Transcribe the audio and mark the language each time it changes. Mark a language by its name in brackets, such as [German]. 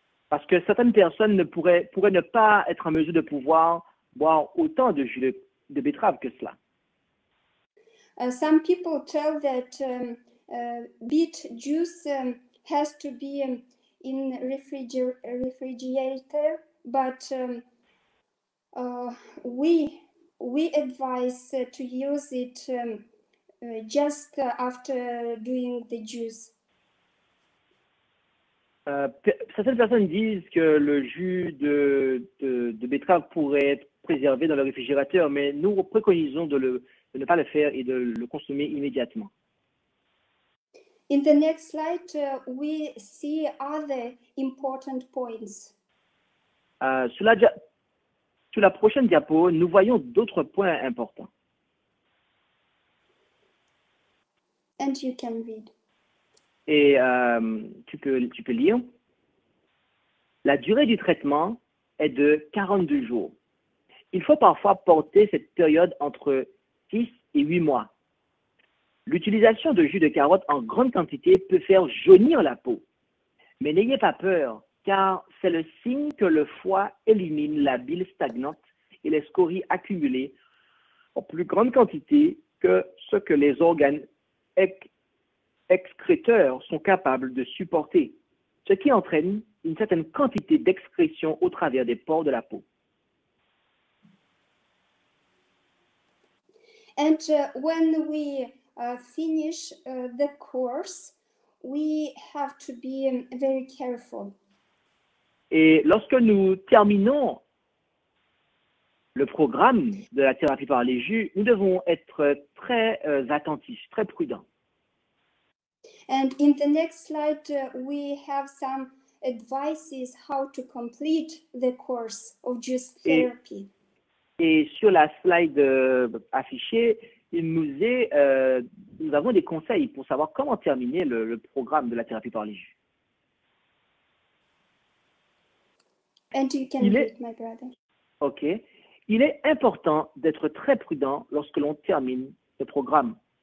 [French] Parce que certaines personnes pourraient ne pas être en mesure de pouvoir boire autant de jus de betterave que cela. [English] Some people tell that beet juice has to be in refrigerator, but we advise to use it just after doing the juice. [French] Certaines personnes disent que le jus de betterave pourrait être préservé dans le réfrigérateur, mais nous préconisons de ne pas le faire et de le consommer immédiatement. [English] In the next slide, we see other important points. [French] Sur la prochaine diapo, nous voyons d'autres points importants. [English] And you can read. [French] Et tu peux lire. La durée du traitement est de 42 jours. Il faut parfois porter cette période entre 6 et 8 mois. L'utilisation de jus de carotte en grande quantité peut faire jaunir la peau. Mais n'ayez pas peur, car c'est le signe que le foie élimine la bile stagnante et les scories accumulées en plus grande quantité que ce que les organes excréteurs sont capables de supporter, ce qui entraîne une certaine quantité d'excrétion au travers des pores de la peau. [English] And when we finish the course, we have to be very careful. [French] Et lorsque nous terminons le programme de la thérapie par les jus, nous devons être très attentifs, très prudents. [English] And in the next slide, we have some advices how to complete the course of juice therapy. [French] Et sur la slide affichée, nous avons des conseils pour savoir comment terminer le programme de la thérapie par les jus. [English] And you can read, my brother. OK. [French] Il est important d'être très prudent lorsque l'on termine le programme.